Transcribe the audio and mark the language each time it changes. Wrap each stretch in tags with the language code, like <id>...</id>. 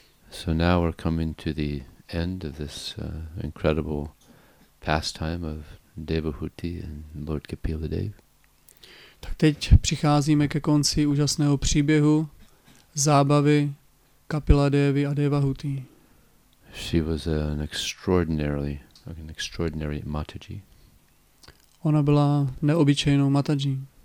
<en>So now we're coming to the end of this incredible pastime of Devahuti and Lord Kapila Dev.</en> <cs>Tak teď přicházíme ke konci úžasného příběhu zábavy Kapila Devi a Devahuti.</cs> <en>She was an extraordinary Mataji.</en> <cs>Ona byla neobyčejnou Mataji.</cs>